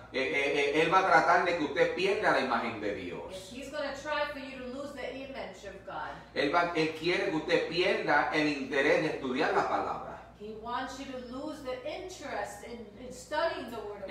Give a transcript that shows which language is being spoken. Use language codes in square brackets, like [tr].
[es] Él va a tratar de que usted pierda la imagen de Dios. [en] He's going to try for you to lose the image of God. [es] Él quiere que usted pierda el interés de estudiar la palabra. [en] He wants you to lose the interest in studying the word of God.